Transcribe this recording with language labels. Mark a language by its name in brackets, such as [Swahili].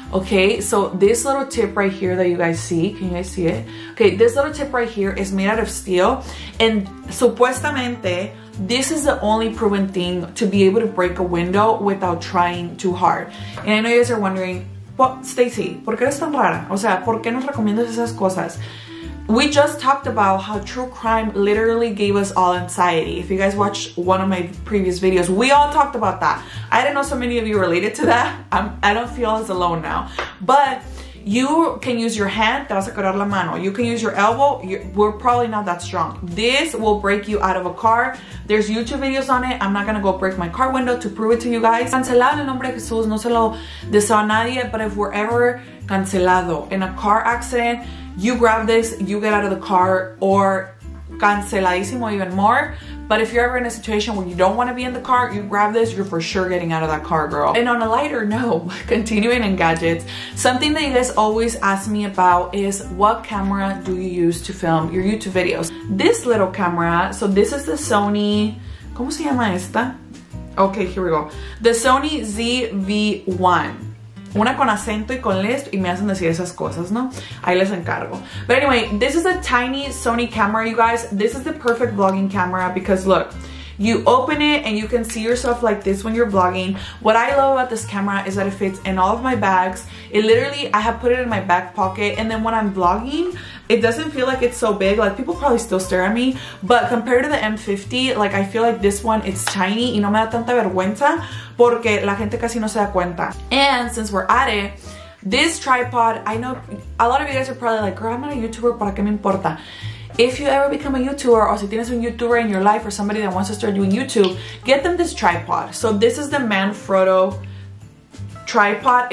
[English] Okay, so this little tip right here that you guys see, can you guys see it? Okay, this little tip right here is made out of steel, and supuestamente, this is the only proven thing to be able to break a window without trying too hard. And I know you guys are wondering, well, Stacey, [Spanish] ¿por qué eres tan rara? O sea, ¿por qué nos recomiendas esas cosas? [English] We just talked about how true crime literally gave us all anxiety. If you guys watched one of my previous videos, we all talked about that. I didn't know so many of you related to that. I don't feel as alone now. But you can use your hand, [Spanish] te vas a quebrar la mano. [English] You can use your elbow, we're probably not that strong. This will break you out of a car. There's YouTube videos on it. I'm not gonna go break my car window to prove it to you guys. [Spanish] Cancelado en nombre de Jesús, no se lo deseo a nadie, [English] but if we're ever cancelado in a car accident, you grab this, you get out of the car, or canceladísimo even more. But if you're ever in a situation where you don't want to be in the car, you grab this, you're for sure getting out of that car, girl. And on a lighter note, continuing in gadgets, something that you guys always ask me about is what camera do you use to film your YouTube videos? This little camera, so this is the Sony, [Spanish] ¿cómo se llama esta? [English] Okay, here we go. The Sony ZV-1. [Spanish] Una con acento y con lisp y me hacen decir esas cosas, ¿no? Ahí les encargo. [English] But anyway, this is a tiny Sony camera, you guys. This is the perfect vlogging camera because look, you open it and you can see yourself like this when you're vlogging. What I love about this camera is that it fits in all of my bags. It literally, I have put it in my back pocket, and then when I'm vlogging, it doesn't feel like it's so big. Like, people probably still stare at me, but compared to the M50, like, I feel like this one, it's tiny. [Spanish] Y no me da tanta vergüenza porque la gente casi no se da cuenta. [English] And since we're at it, this tripod, I know a lot of you guys are probably like, girl, I'm not a YouTuber, [Spanish] ¿para qué me importa? [English] If you ever become a YouTuber, or [Spanish] si tienes un [English] YouTuber in your life, or somebody that wants to start doing YouTube, get them this tripod. So this is the Manfrotto tripod.